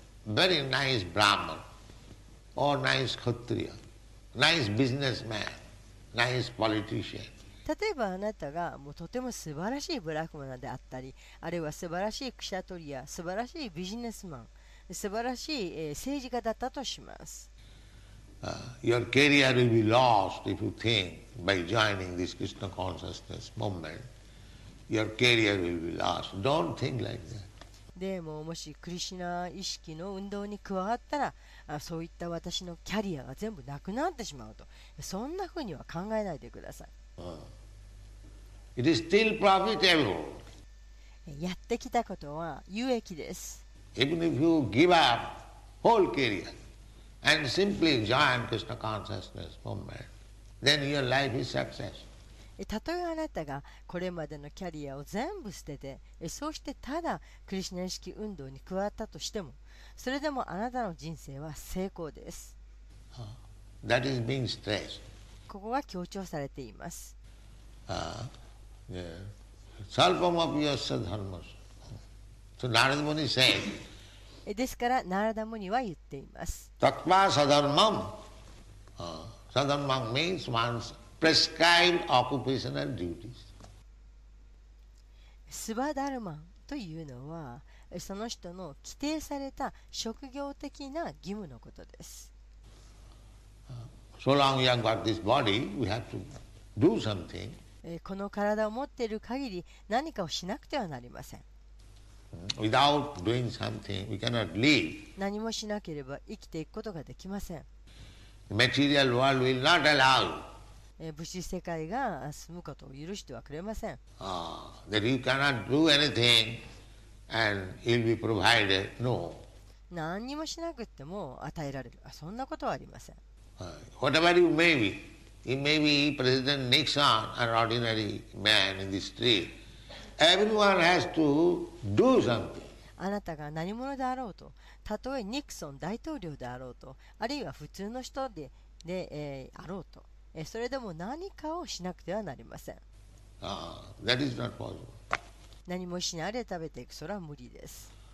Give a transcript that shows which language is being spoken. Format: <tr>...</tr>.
<en>very nice Brahman, or nice Kshatriya, nice businessman, nice politician.</en> <ja>例えばあなたがもうとても素晴らしいブラフマナであったり、あるいは素晴らしいクシャトリア、素晴らしいビジネスマン、素晴らしい政治家だったとします。</ja> <en>Your career will be lost if you think by joining this Krishna consciousness movement, your career will be lost. Don't think like that.</en> <ja>でももしクリシナ意識の運動に加わったら、そういった私のキャリアが全部なくなってしまうと、そんなふうには考えないでください。</ja> <en>It is still profitable.</en> <ja>やってきたことは有益です。</ja> <en>Even if you give up whole career and simply join Krishna consciousness movement, then your life is success.</en> <ja>たとえあなたがこれまでのキャリアを全部捨てて、そうしてただクリシナ意識運動に加わったとしても、それでもあなたの人生は成功です。</ja> <en>That is being stressed.</en> <ja>ここが強調されています。ですから、ナラダムニは言っています。</ja> <en>タッパーサダルマム。Southern monk means one's prescribed occupational duties.</en> <ja>Svadharma というのはその人の規定された職業的な義務のことです。</ja> <en>So long you have got this body, we have to do something.</en> <ja>この体を持っている限り何かをしなくてはなりません。</ja> <en>Without doing something, we cannot live.</en> <ja>何もしなければ生きていくことができません。</ja> <en>The material world will not allow.</en> <ja>物質世界が住むことを許してはくれません。</ja> <en>That you cannot do anything. And he'll be provided. No.</en> <ja>何にもしなくても与えられる。そんなことはありません。</ja> <en>Whatever you may be, you may be President Nixon, an ordinary man in the street. Everyone has to do something.</en> <ja>あなたが何者であろうと、たとえニクソン大統領であろうと、あるいは普通の人で、あろうと、それでも何かをしなくてはなりません。</ja> <en>That is not possible.</en> <ja>何もしないで食べていくそれは無理です。</ja>